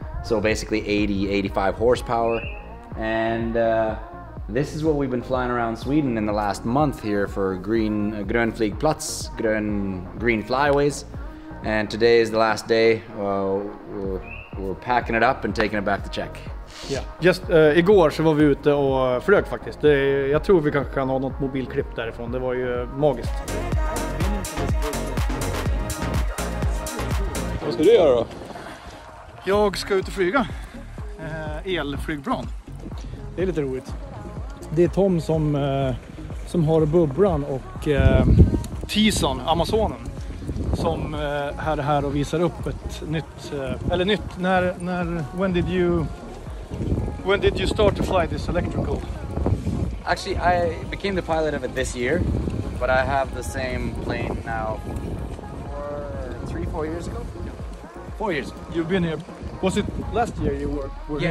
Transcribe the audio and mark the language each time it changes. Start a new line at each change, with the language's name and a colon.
English: So basically 80, 85 horsepower. And this is what we've been flying around Sweden in the last month here for green,
Swedish: grön flygplats,
English: green flyways. And today is the last day. We're packing it up and taking it back to Czech.
Swedish: Ja, igår så var vi ute och flög faktiskt. Det, jag tror vi kanske kan ha något mobilklipp därifrån. Det var ju magiskt. Vad ska du göra då? Jag ska ut och flyga. Elflygplan. Det är lite roligt. Det är Tom som har bubblan och... Tison, Amazonen. Som är här och visar upp ett nytt... eller nytt, när...
English: When did you... When did you start to fly this electrical? Actually, I became the pilot of it this year, but I have the same plane now for 3-4 years ago. Yeah. 4 years. You've been here. Was it last year you were here?